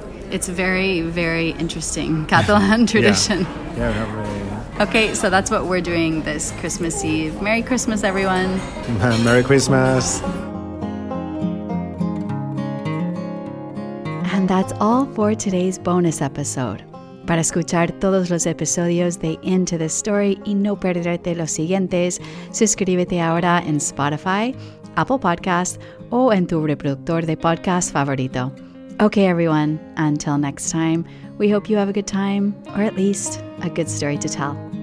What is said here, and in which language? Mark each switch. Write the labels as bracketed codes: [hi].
[en] It's very, very interesting Catalan tradition. Yeah, not really. Okay, so that's what we're doing this Christmas Eve. Merry Christmas, everyone. Merry Christmas. And that's all for today's bonus episode. [es] Para escuchar todos los episodios de Into the Story y no perderte los siguientes, suscríbete ahora en Spotify, Apple Podcasts, o en tu reproductor de podcast favorito. [en] Okay, everyone, until next time, we hope you have a good time, or at least a good story to tell.